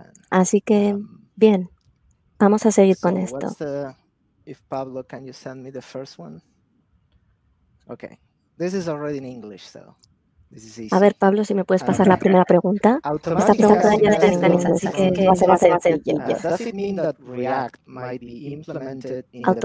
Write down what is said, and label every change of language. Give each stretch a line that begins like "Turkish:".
Spanish: Así que, bien, vamos a seguir con esto.
English: If Pablo, can you send me the first one? Okay. This is already in English, so this is easy.
Spanish: A ver, Pablo, si me puedes pasar la primera pregunta. Esta pregunta ya está en inglés, así que va a ser más sencillo.
English: Does it mean that React might be implemented in